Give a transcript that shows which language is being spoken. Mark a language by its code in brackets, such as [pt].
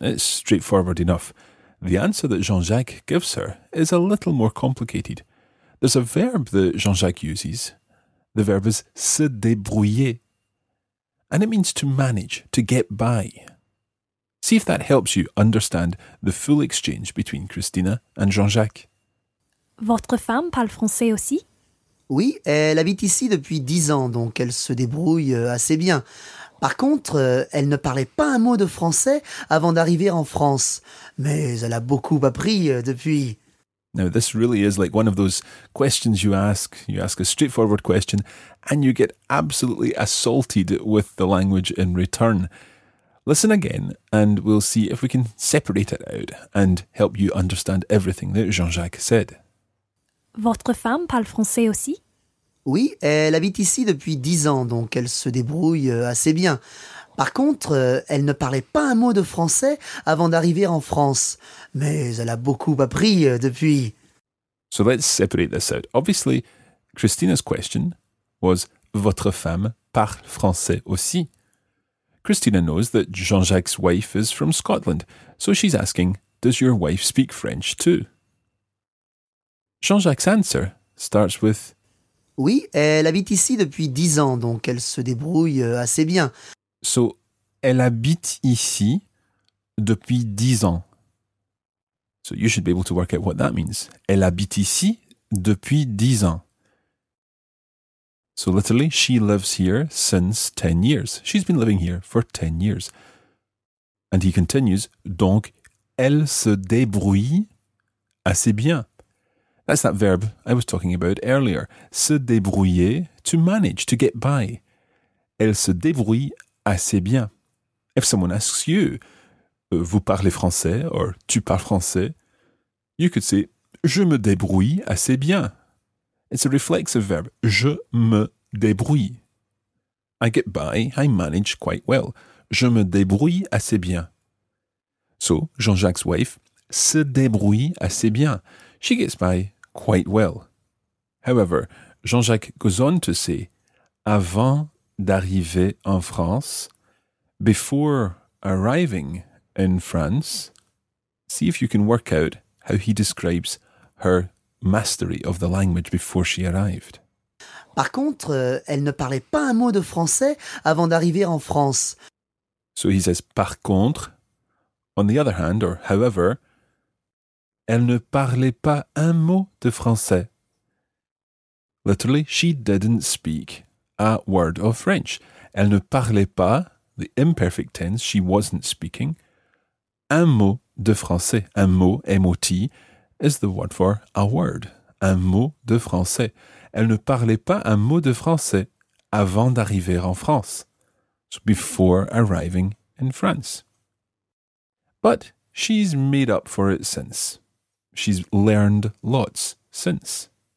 [en] It's straightforward enough. The answer that Jean-Jacques gives her is a little more complicated. There's a verb that Jean-Jacques uses. The verb is se débrouiller. And it means to manage, to get by. See if that helps you understand the full exchange between Christina and Jean-Jacques. [fr] Votre femme parle français aussi? Oui, elle habite ici depuis 10 ans, donc elle se débrouille assez bien. Par contre, elle ne parlait pas un mot de français avant d'arriver en France. Mais elle a beaucoup appris depuis. [en] Now, this really is like one of those questions you ask. You ask a straightforward question and you get absolutely assaulted with the language in return. Listen again and we'll see if we can separate it out and help you understand everything that Jean-Jacques said. [fr] Votre femme parle français aussi? Oui, elle habite ici depuis 10 ans, donc elle se débrouille assez bien. Par contre, elle ne parlait pas un mot de français avant d'arriver en France. Mais elle a beaucoup appris depuis. [en] So let's separate this out. Obviously, Christina's question was, [fr] votre femme parle français aussi? [en] Christina knows that Jean-Jacques' wife is from Scotland, so she's asking, does your wife speak French too? Jean-Jacques' answer starts with, [fr] oui, elle habite ici depuis 10 ans, donc elle se débrouille assez bien. [en] So, [fr] Elle habite ici depuis 10 ans. [en] So you should be able to work out what that means. [fr] Elle habite ici depuis 10 ans. [en] So literally, she lives here since 10 years. She's been living here for 10 years. And he continues, [fr] donc, elle se débrouille assez bien. [en] That's that verb I was talking about earlier. Se débrouiller, to manage, to get by. [fr] Elle se débrouille assez bien. [en] If someone asks you, [fr] vous parlez français, or tu parles français, [en] you could say, [fr] je me débrouille assez bien. [en] It's a reflexive verb. [fr] Je me débrouille. [en] I get by, I manage quite well. [fr] Je me débrouille assez bien. So, Jean-Jacques' wife se débrouille assez bien. [en] She gets by quite well. However, Jean-Jacques goes on to say, [fr] avant d'arriver en France, [en] before arriving in France, see if you can work out how he describes her mastery of the language before she arrived. [fr] Par contre, elle ne parlait pas un mot de français avant d'arriver en France. [en] So he says, [fr] par contre, [en] on the other hand, or however, [fr] elle ne parlait pas un mot de français. [en] Literally, she didn't speak a word of French. [fr] Elle ne parlait pas, [en] the imperfect tense, she wasn't speaking, [fr] un mot de français. [en] Un mot, M-O-T, is the word for a word. [fr] Un mot de français. Elle ne parlait pas un mot de français avant d'arriver en France. [en] So before arriving in France. But she's made up for it since. She's learned lots since.